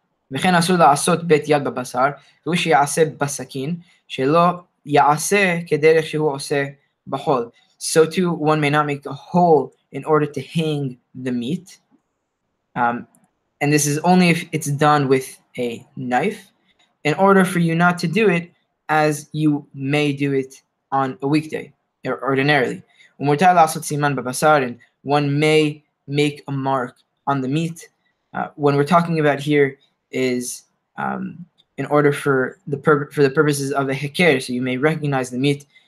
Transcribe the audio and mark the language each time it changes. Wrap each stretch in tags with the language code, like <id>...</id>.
<he>וכן אסור לעשות בית יד בבשר, והוא שיעשה בסכין, שלא יעשה כדרך שהוא עושה בחול.</he> <en>So too, one may not make a hole in order to hang the meat. And this is only if it's done with a knife, in order for you not to do it as you may do it on a weekday, or ordinarily.</en> <he>ומותר לעשות סימן בבשר,</he> <en>and one may make a mark on the meat. When we're talking about here, is in order for the purposes of a heker, so you may recognize the meat.</en>